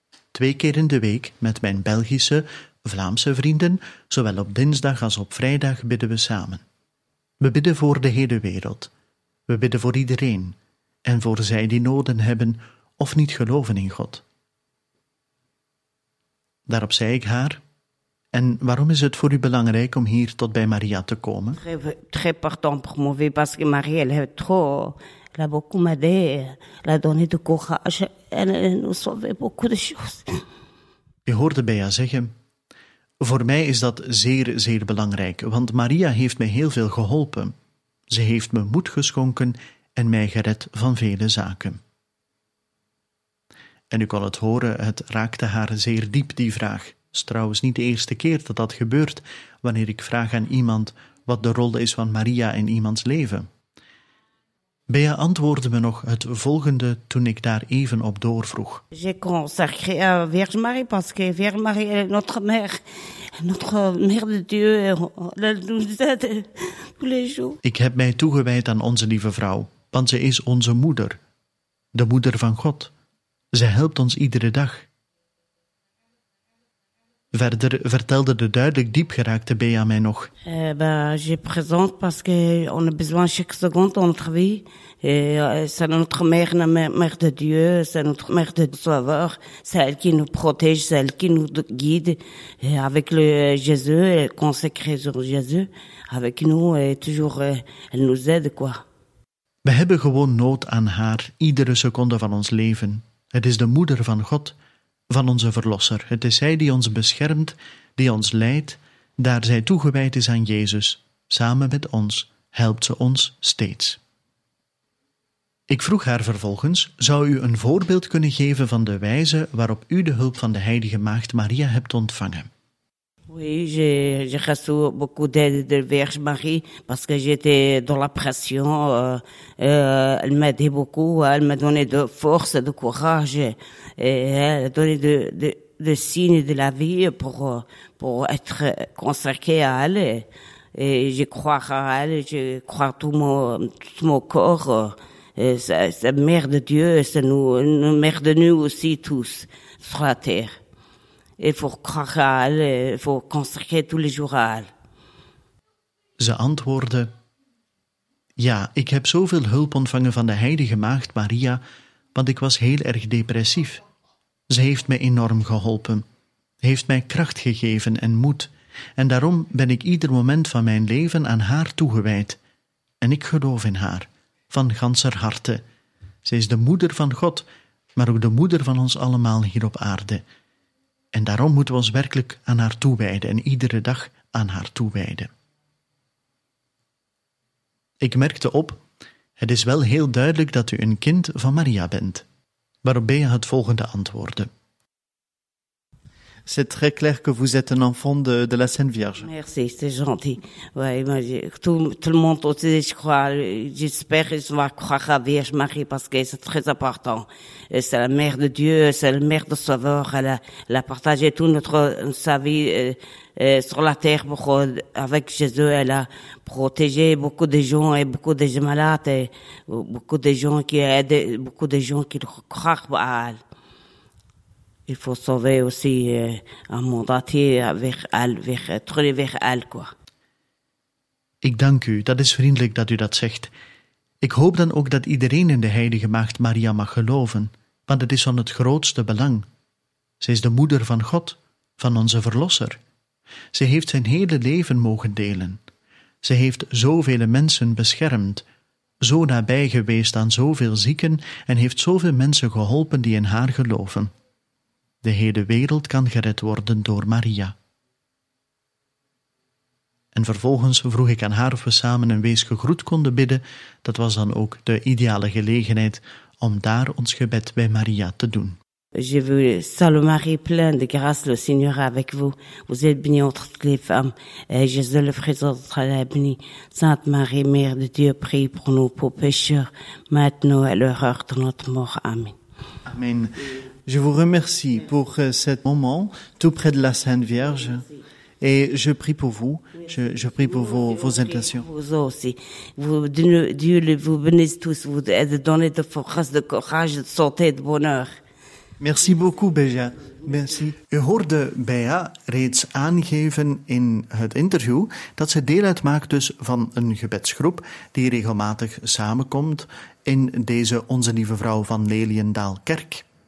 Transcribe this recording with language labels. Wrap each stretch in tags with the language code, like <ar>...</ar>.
<nl>Twee keer in de week met mijn Belgische, Vlaamse vrienden, zowel op dinsdag als op vrijdag, bidden we samen. We bidden voor de hele wereld. We bidden voor iedereen en voor zij die noden hebben of niet geloven in God. Daarop zei ik haar... En waarom is het voor u belangrijk om hier tot bij Maria te komen?</nl> <fr>Très important pour moi, parce que Marie, elle est trop, elle a beaucoup m'aidé, elle a donné du courage, elle nous sauve beaucoup de choses.</fr> <nl>Je hoorde Bea zeggen, voor mij is dat zeer, zeer belangrijk, want Maria heeft mij heel veel geholpen. Ze heeft me moed geschonken en mij gered van vele zaken. En u kon het horen, het raakte haar zeer diep, die vraag. Het is trouwens niet de eerste keer dat dat gebeurt wanneer ik vraag aan iemand wat de rol is van Maria in iemands leven. Bea antwoordde me nog het volgende toen ik daar even op doorvroeg.</nl> <fr>J'ai consacré à Vierge Marie parce que Vierge Marie est notre mère de Dieu. Elle nous aide tous les jours.</fr> <nl>Ik heb mij toegewijd aan onze lieve vrouw, want ze is onze moeder, de moeder van God. Ze helpt ons iedere dag. Verder vertelde de duidelijk diepgeraakte Bea mij nog.</nl> <fr>Je présente parce que on a besoin chaque seconde de notre vie. C'est notre mère de Dieu, c'est notre mère de Sauveur. C'est elle qui nous protège, c'est elle qui nous guide. Et avec le Jésus, elle consacré sur Jésus, avec nous, et toujours, elle nous aide, quoi.</fr> <nl>We hebben gewoon nood aan haar, iedere seconde van ons leven. Het is de moeder van God. Van onze Verlosser. Het is zij die ons beschermt, die ons leidt, daar zij toegewijd is aan Jezus. Samen met ons helpt ze ons steeds. Ik vroeg haar vervolgens, zou u een voorbeeld kunnen geven van de wijze waarop u de hulp van de Heilige Maagd Maria hebt ontvangen?</nl> <fr>Oui, j'ai reçu beaucoup d'aide de Vierge Marie parce que j'étais dans la pression. Elle m'a aidé beaucoup, elle m'a donné de force, de courage, et elle a donné de signes de la vie pour être consacrée à elle. Et je crois à elle, je crois tout mon corps. C'est la mère de Dieu, c'est nous, mère de nous aussi tous sur la terre. Il faut croire à elle, il faut consacrer tous les jours à elle.</fr> <nl>Ze antwoordde, ja, ik heb zoveel hulp ontvangen van de Heilige Maagd Maria, want ik was heel erg depressief. Ze heeft me enorm geholpen, heeft mij kracht gegeven en moed, en daarom ben ik ieder moment van mijn leven aan haar toegewijd. En ik geloof in haar, van ganser harte. Ze is de moeder van God, maar ook de moeder van ons allemaal hier op aarde. En daarom moeten we ons werkelijk aan haar toewijden en iedere dag aan haar toewijden. Ik merkte op, het is wel heel duidelijk dat u een kind van Maria bent. Waarop Bea het volgende antwoordde.</nl> <fr>C'est très clair que vous êtes un enfant de la Sainte Vierge. Merci, c'est gentil. Ouais, tout le monde aussi, je crois, j'espère qu'ils vont croire à la Vierge Marie parce que c'est très important. Et c'est la mère de Dieu, c'est la mère de Sauveur. Elle a partagé toute sa vie sur la terre avec Jésus. Elle a protégé beaucoup de gens et beaucoup de malades et beaucoup de gens qui aident, beaucoup de gens qui croient à elle. Il faut sauver aussi un monde entier vers elle, quoi.</fr> <nl>Ik dank u, dat is vriendelijk dat u dat zegt. Ik hoop dan ook dat iedereen in de heilige maagd Maria mag geloven, want het is van het grootste belang. Ze is de moeder van God, van onze verlosser. Ze heeft zijn hele leven mogen delen. Ze heeft zoveel mensen beschermd, zo nabij geweest aan zoveel zieken en heeft zoveel mensen geholpen die in haar geloven. De hele wereld kan gered worden door Maria. En vervolgens vroeg ik aan haar of we samen een wees gegroet konden bidden. Dat was dan ook de ideale gelegenheid om daar ons gebed bij Maria te doen.</nl> <fr>Je veux saluer Marie, pleine de grâce, le Seigneur est avec vous. Vous êtes bénie entre toutes les femmes. Et Jésus, le fruit de votre entrailles, est béni. Sainte Marie, Mère de Dieu, priez pour nous, pour pécheurs, maintenant et à l'heure de notre mort. Amen. Amen. Je vous remercie pour ce moment tout près de la Sainte Vierge. Et je prie pour vous. Je prie pour vos intentions. Vous aussi. Dieu vous bénisse tous. Vous aide de donner de force, de courage, de santé, de bonheur. Merci beaucoup, Béja. Merci.</fr> <nl>U hoorde Béja reeds aangeven in het interview dat ze deel uitmaakt dus van een gebedsgroep die regelmatig samenkomt in deze Onze Lieve Vrouw van Leliendaalkerk.</nl>